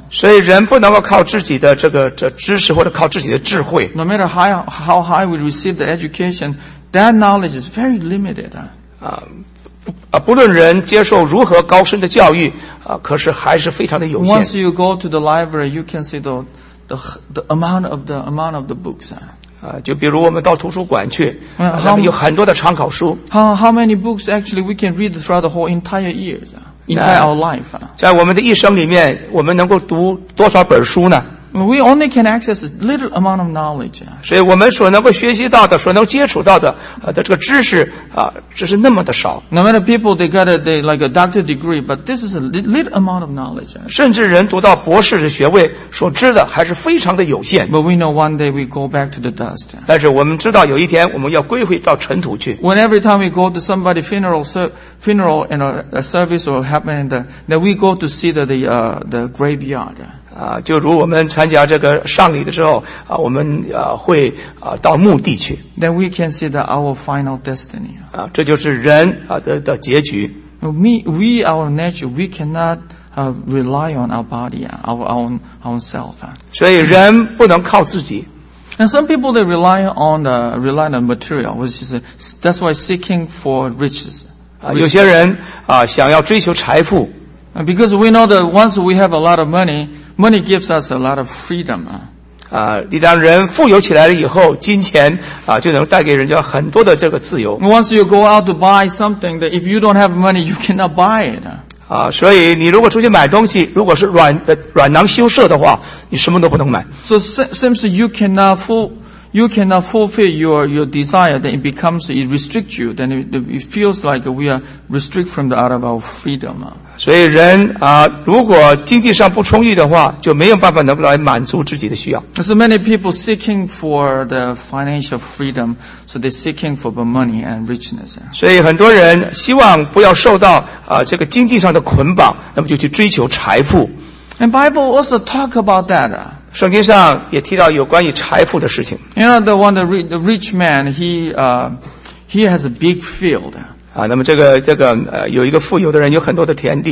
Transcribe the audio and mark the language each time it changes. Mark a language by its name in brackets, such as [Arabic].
[Chinese] 所以人不能够靠自己的这个知识或者靠自己的智慧。 [English] No matter how high we receive the education, that knowledge is very limited. [Chinese] 不论人接受如何高深的教育，可是还是非常的有限。 [English] Once you go to the library, you can see the amount of the books. [Chinese] 就比如我们到图书馆去，那么有很多的参考书。 [English] How many books actually we can read throughout the whole entire years, entire our life? [Chinese] 在我们的一生里面，我们能够读多少本书呢？ [English] We only can access a little amount of knowledge. [Chinese] 所以我们所能够学习到的，所能接触到的这个知识只是那么的少。 [English] No matter people they got they like a doctor degree, but this is a little amount of knowledge. [Chinese] 甚至人读到博士的学位，所知的还是非常的有限。 [English] But we know one day we go back to the dust. [Chinese] 但是我们知道有一天我们要归回到尘土去。 [English] When every time we go to somebody funeral and a service or happen, then we go to see the graveyard. [Chinese] 就如我们参加这个丧礼的时候我们会到墓地去。 [English] Then we can see that our final destiny. [Chinese] 这就是人的结局。 [English] We our nature, we cannot rely on our body, our own self. [Chinese] 所以人不能靠自己。 [English] And some people they rely on material, which is, that's why seeking for riches. [Chinese] 有些人想要追求财富。 [English] Because we know that once we have a lot of money,Money gives us a lot of freedom. [Chinese] 一旦人富有起来了以后，金钱就能带给人家很多的这个自由。 [English] Once you go out to buy something, that if you don't have money, you cannot buy it. [Chinese] 所以你如果出去买东西，如果是软囊羞涩的话，你什么都不能买。 [English] So seems you cannot fulfill your desire, then it restricts you, then it feels like we are restricted from out of our freedom. [Chinese] 所以人如果经济上不充裕的话，就没有办法能够来满足自己的需要。 [English] So many people seeking for the financial freedom, so they're seeking for the money and richness. [Chinese] 所以很多人希望不要受到这个经济上的捆绑，那么就去追求财富。 [English] And Bible also talk about that. [Chinese] 圣经上也提到有关于财富的事情。 [English] You know, the one, the rich man, he has a big field. [Chinese] 啊，那么这个有一个富有的人有很多的田地。